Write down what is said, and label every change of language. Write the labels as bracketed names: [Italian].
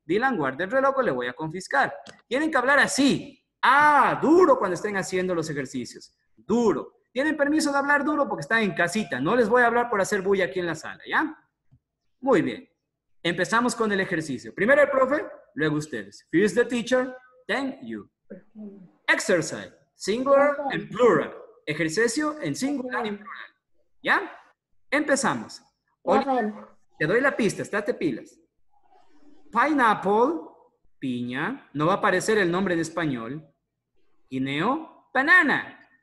[Spanish] Dylan, guarda el reloj o le voy a confiscar. Tienen que hablar así. ¡Ah! Duro cuando estén haciendo los ejercicios. Duro. ¿Tienen permiso de hablar duro? Porque están en casita. No les voy a hablar por hacer bulla aquí en la sala, ¿ya? Muy bien. Empezamos con el ejercicio. Primero el profe, luego ustedes. [English] First the teacher, then you. Exercise, singular and plural. [Spanish] Ejercicio en singular y plural. ¿Ya? Empezamos. Oye, te doy la pista, estate pilas. Pineapple, piña, no va a aparecer el nombre en español. Guineo, banana.